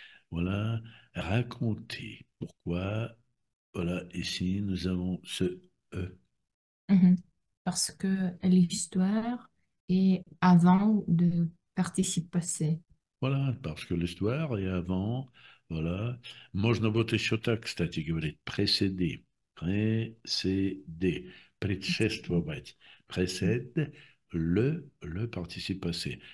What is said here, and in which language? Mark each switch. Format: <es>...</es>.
<fr>Voilà, raconter. Pourquoi? Voilà, ici, nous avons ce E. Parce que l'histoire est avant de participer passé. Voilà, parce que l'histoire est avant. Voilà.</fr> <ru>Можно вот еще так, кстати, говорить.</ru> <fr>Précéder. Précéder. Предшествовать. Précède le participe passé.</fr>